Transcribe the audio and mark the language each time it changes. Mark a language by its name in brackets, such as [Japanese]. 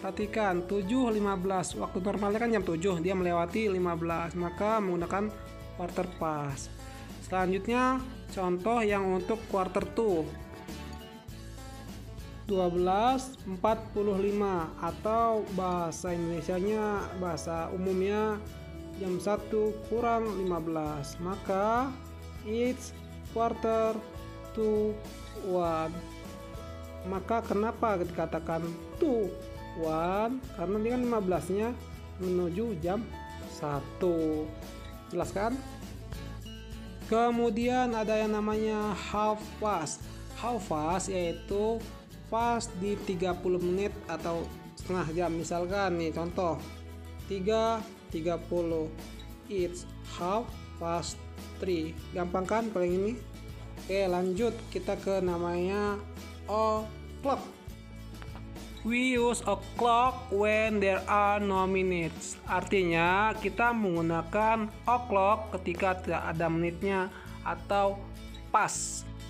[Indonesian] Perhatikan, 7.15, waktu normalnya kan jam 7, dia melewati 15, maka menggunakan quarter past. Selanjutnya, contoh yang untuk quarter to, 12.45 atau bahasa Indonesianya, bahasa umumnya jam 1 kurang 15, maka [English] it's quarter to 1. [Indonesian] Maka kenapa dikatakan to 1? Karena ini kan 15-nya menuju jam 1. Jelaskan. Kemudian ada yang namanya half past. Half past yaitu past di 30 menit atau setengah jam. Misalkan nih contoh 3:30. [English] It's half past 3. [Indonesian] Gampang kan kalau yang ini? Oke, lanjut kita ke namanya o'clock. [English] We use o'clock when there are no minutes. [Indonesian] Artinya kita menggunakan o'clock ketika tidak ada menitnya atau pas.